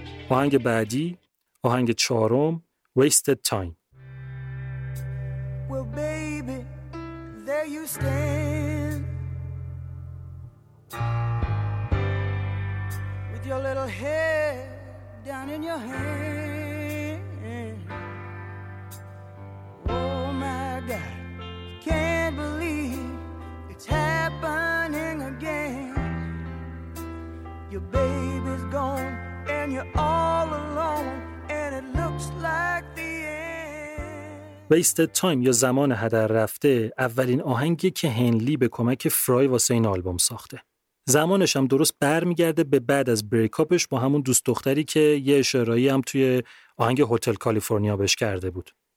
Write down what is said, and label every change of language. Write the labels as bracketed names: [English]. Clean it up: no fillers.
[Persian] آهنگ بعدی، آهنگ چهارم، Wasted Time. [English] Well baby, there you stand with your little head down in your hand. Oh my God, can't believe it's happening again. Your baby's gone and you're all alone and it looks like the Wasted Time [Persian] یا زمان هدر رفته اولین آهنگی که هنلی به کمک فرای واسه این آلبوم ساخته. زمانش هم درست برمیگرده به بعد از بریکاپش با همون دوست دختری که یه اشارایی هم توی آهنگ هتل کالیفرنیا بهش کرده بود.